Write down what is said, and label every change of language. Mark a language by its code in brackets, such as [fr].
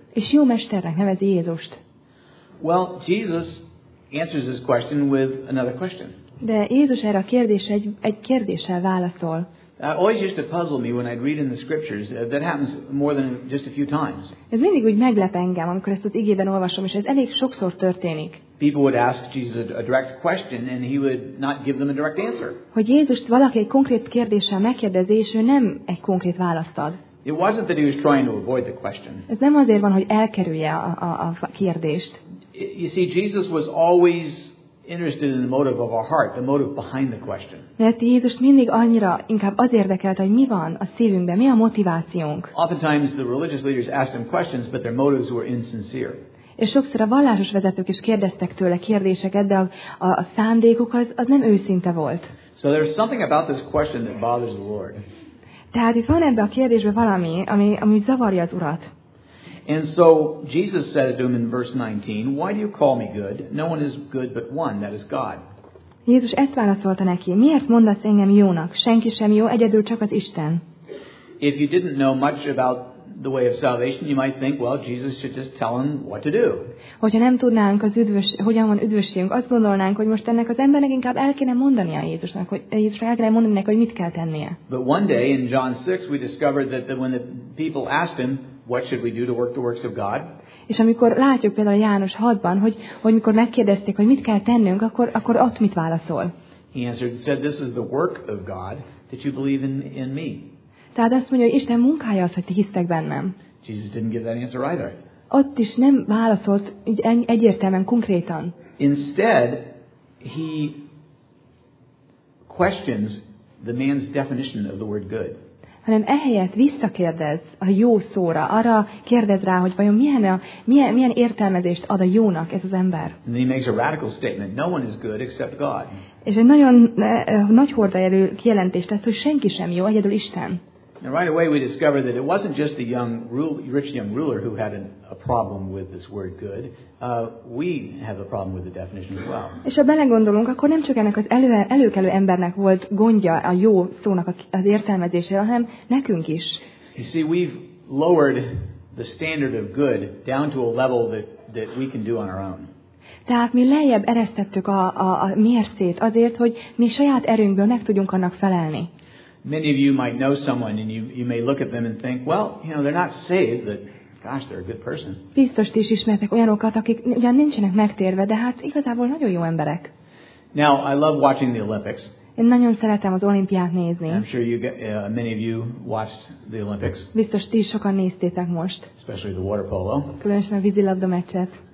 [hu] És jó mesternek nevezi Jézust. [en] Well, Jesus answers this question with another question. [hu] De Jézus erre a kérdésre egy kérdéssel válaszol. [en] That always used to puzzle me when I'd read in the scriptures. That happens more than just a few times. [hu] Ez mindig úgy meglep engem, amikor ezt az igében olvasom, és ez elég sokszor történik. [en] People would ask Jesus a direct question, and he would not give them a direct answer. [hu] Hogy Jézust valaki egy konkrét kérdéssel megkérdezi, és ő nem egy konkrét választ ad. [en] It wasn't that he was trying to avoid the question. [hu] Ez nem azért van, hogy elkerülje a kérdést. [en] You see, Jesus was always interested in the motive of our heart, the motive behind the question. [hu] Mert Jézus mindig annyira inkább az érdekelt, hogy mi van a szívünkben, mi a motivációnk. [en] Oftentimes the religious leaders asked him questions, but their motives were insincere. [hu] És sokszor a vallásos vezetők is kérdeztek tőle kérdéseket, de a szándékuk az nem őszinte volt. [en] So there's something about this question that bothers the Lord. [hu] Tehát itt van ebben a kérdésben valami, ami zavarja az Urat. [en] And so Jesus says to him in verse 19, "Why do you call me good? No one is good but one, that is God." [hu] Jézus ezt válaszolta neki: "Miért mondasz engem jónak? Senki sem jó, egyedül csak az Isten." [en] If you didn't know much about the way of salvation, you might think, well, Jesus should just tell him what to do. [hu] Hogyha nem tudnánk az hogyan van üdvösségünk, azt gondolnánk, hogy most ennek az embernek inkább el kéne mondania Jézusnak, hogy Jézusra el kéne mondani neki, hogy mit kell tennie. [en] But one day in John 6 we discovered that when the people asked him, "What should we do to work the works of God?" [hu] És amikor látjuk például János 6-ban, hogy mikor megkérdezték, hogy mit kell tennünk, akkor ott mit válaszol? [en] He answered and said, "This is the work of God, that you believe in me." [hu] Tehát azt mondja, hogy Isten munkája az, hogy ti hisztek bennem. [en] Jesus didn't give that answer either. [hu] Ott is nem válaszolt egyértelműen, konkrétan. [en] Instead, he questions the man's definition of the word good. [hu] Hanem ehelyett visszakérdez a jó szóra, arra kérdez rá, hogy vajon milyen értelmezést ad a jónak ez az ember. [en] And he makes a radical statement, no one is good except God. [hu] És egy nagyon nagy hordajelű kijelentést tesz, hogy senki sem jó, egyedül Isten. [en] And right away we discover that it wasn't just the young, rich young ruler who had a problem with this word good. We have a problem with the definition as well. [hu] És ha belegondolunk, akkor nem csak ennek az előkelő embernek volt gondja a jó szónak az értelmezésére, hanem nekünk is. [en] You see, we've lowered the standard of good down to a level that we can do on our own. [hu] Tehát mi lejjebb eresztettük a mércét azért, hogy mi saját erőnkből meg tudjunk annak felelni. [en] Many of you might know someone and you may look at them and think, well, you know, they're not saved, but gosh, they're a good person. [hu] Biztos ti is ismertek olyanokat, akik ugyan nincsenek megtérve, de hát igazából nagyon jó emberek. [en] Now, I love watching the Olympics. [hu] Én nagyon szeretem az olimpiát nézni. [en] I'm sure many of you watched the Olympics. [hu] Biztos ti is sokan néztétek most. [en] Especially the water polo. [hu] Különösen a vízilabda meccset.